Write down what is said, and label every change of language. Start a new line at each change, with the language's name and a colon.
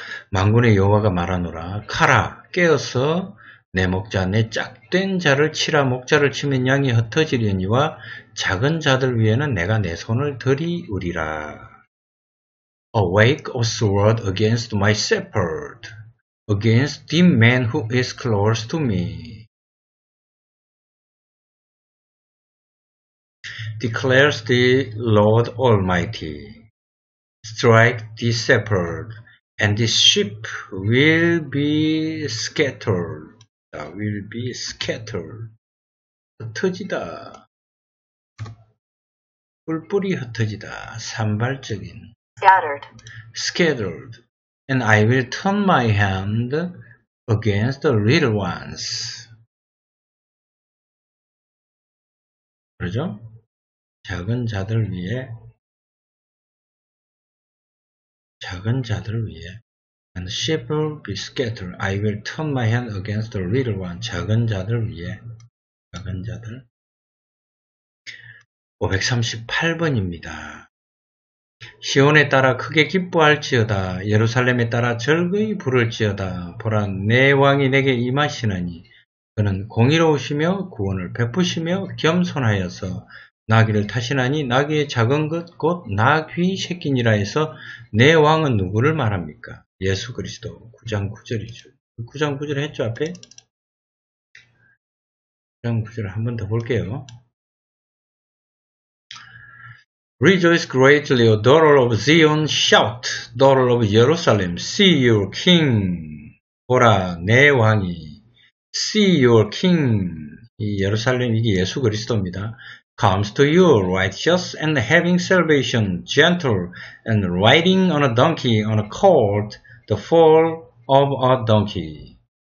Korean: 만군의 여호와가 말하노라. 가라 깨어서 내 목자 내 짝된 자를 치라. 목자를 치면 양이 흩어지려니와 작은 자들 위에는 내가 내 손을 들이우리라.
English: Awake, O sword, against my shepherd, against the man who is close to me. Declares the Lord Almighty, strike the shepherd, and the sheep will be scattered. Will be scattered.
Korean: 흩어지다. 뿔뿔이 흩어지다. 산발적인.
English: Scattered. Scattered. And I will turn my hand against the little ones.
Korean: 그러죠? 작은 자들 위해, 작은 자들 위해.
English: And sheep will be scattered. I will turn my hand against the little one.
Korean: 작은 자들 위해. 작은 자들. 538번입니다. 시온에 따라 크게 기뻐할지어다. 예루살렘에 따라 즐거이 부를지어다. 보라, 내 왕이 내게 임하시나니. 그는 공의로우시며 구원을 베푸시며 겸손하여서 나귀를 타시나니 나귀의 작은 것 곧 나귀 새끼니라 해서 내 왕은 누구를 말합니까? 예수 그리스도. 9장 9절이죠. 9장 9절 했죠, 앞에? 9장 9절 한 번 더 볼게요.
English: Rejoice greatly, O daughter of Zion, shout, daughter of Jerusalem, see your king.
Korean: 보라, 내 왕이.
English: See your king.
Korean: 이 예루살렘, 이게 예수 그리스도입니다.
English: Comes to you, righteous and having salvation, gentle and riding on a donkey, on a colt, the foal of a donkey.